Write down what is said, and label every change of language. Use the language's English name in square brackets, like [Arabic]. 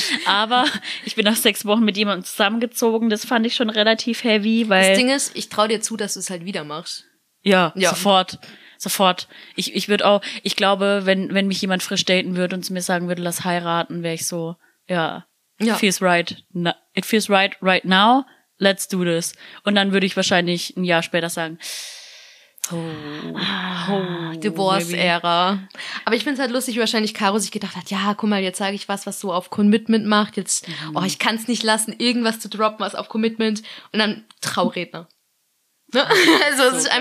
[German] Aber ich bin nach 6 Wochen mit jemandem zusammengezogen. Das fand ich schon relativ heavy, weil... Das Ding ist, ich trau dir zu, dass du es halt wieder machst. Ja, ja. Sofort. Ich würde auch, ich glaube, wenn mich jemand frisch daten würde und zu mir sagen würde, lass heiraten, wäre ich so, ja, ja. [English] It feels right right now, let's do this. [German] Und dann würde ich wahrscheinlich ein Jahr später sagen, Divorce-Ära. Aber ich finde es halt lustig, wie wahrscheinlich Caro sich gedacht hat, ja, guck mal, jetzt sage ich was so auf Commitment macht. Jetzt, ich kann es nicht lassen, irgendwas zu droppen, was auf Commitment. Und dann Trauredner. Ne? Also so es ist geil.